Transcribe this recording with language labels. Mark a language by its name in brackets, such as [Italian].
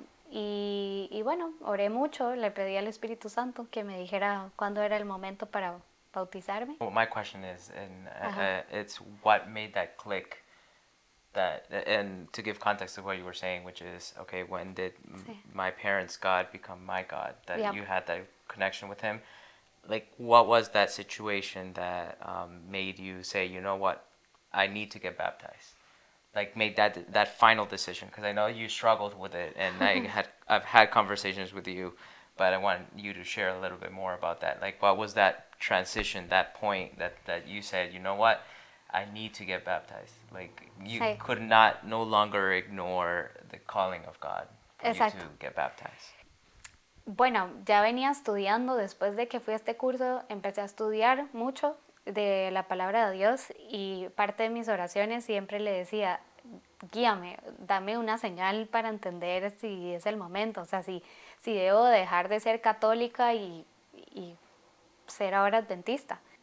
[Spanish] Y bueno, oré mucho, le pedí al Espíritu Santo que me dijera cuándo era el momento para bautizarme. [English] Well, my question is, and it's what made that click, and to give context of what you were saying, which is, okay, when did my parents' God become my God, that you had that connection with Him? Like, what was that situation that made you say, you know what, I need to get baptized? Like, made that final decision? Because I know you struggled with it, and I've had conversations with you, but I want you to share a little bit more about that. Like, what was that transition, that point that you said, you know what, I need to get baptized? Like, you could not no longer ignore the calling of God for you to get baptized. [Spanish] Bueno, ya venía estudiando, después de que fui a este curso, empecé a estudiar mucho de la palabra de Dios y parte de mis oraciones siempre le decía, guíame, dame una señal para entender si es el momento, o sea, si debo dejar de ser católica y ser ahora adventista.